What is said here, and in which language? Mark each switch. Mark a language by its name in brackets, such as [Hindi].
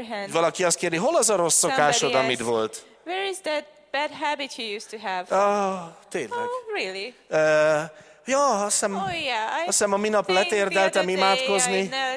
[Hungarian] Valaki azt kérdi, hol az a rossz szokásod, amit volt? [English] Where is that bad habit you used to have? [Hungarian] Tényleg. [English] Oh, really? [Hungarian] Ja, azt hiszem a minap letérdeltem imádkozni.